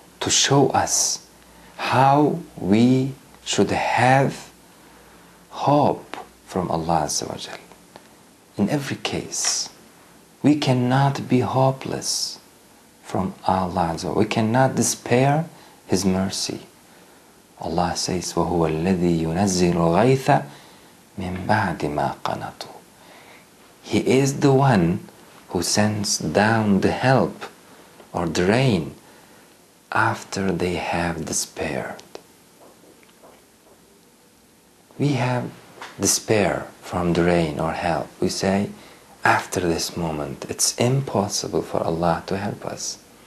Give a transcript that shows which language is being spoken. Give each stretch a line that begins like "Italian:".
English: To show us how we should have hope from Allah Azza wa Jal. In every case, we cannot be hopeless from Allah Azza wa Jal. We cannot despair his mercy. Allah says,
Arabic: وَهُوَ الَّذِي يُنَزِّلُ غَيْثَ مِن بَعْدِ مَا قَنَطُوا.
English: He is the one who sends down the help or the rain after they have despaired. We have despair from the rain or help. We say, after this moment, it's impossible for Allah to help us.